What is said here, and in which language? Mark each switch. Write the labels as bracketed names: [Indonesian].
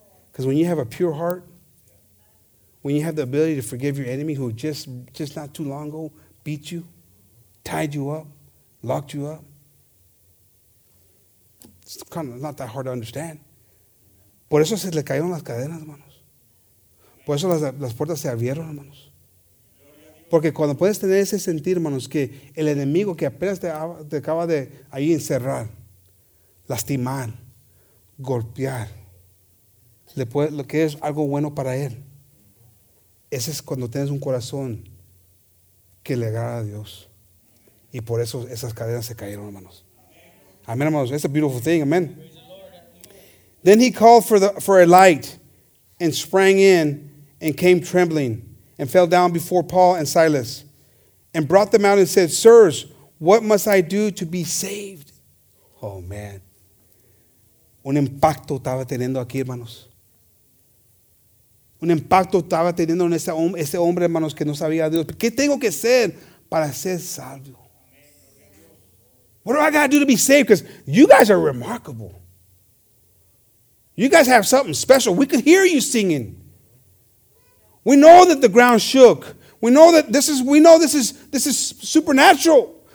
[English] Because when you have a pure heart, when you have the ability to forgive your enemy who just not too long ago beat you, tied you up, locked you up, it's kind of not that hard to understand. [Spanish] Por eso se le cayeron las cadenas, hermanos. Por eso las puertas se abrieron, hermanos. Porque cuando puedes tener ese sentir, hermanos, que el enemigo que apenas te acaba de ahí encerrar, lastimar, golpear, le puede, lo que es algo bueno para él, ese es cuando tienes un corazón que le agrada a Dios. Y por eso esas cadenas se cayeron, hermanos. Amén, hermanos. [English] It's a beautiful thing. [Spanish] Amén. [English] Then he called for a light and sprang in and came trembling and fell down before Paul and Silas and brought them out and said, sirs, what must I do to be saved? Oh, man. [Spanish] Un impacto estaba teniendo aquí, hermanos. Un impacto estaba teniendo en ese hombre, hermanos, que no sabía a Dios. ¿Qué tengo que hacer para ser salvo? [English] What do I got to do to be saved? Because you guys are remarkable. You guys have something special. We could hear you singing. We know that the ground shook. We know this is supernatural.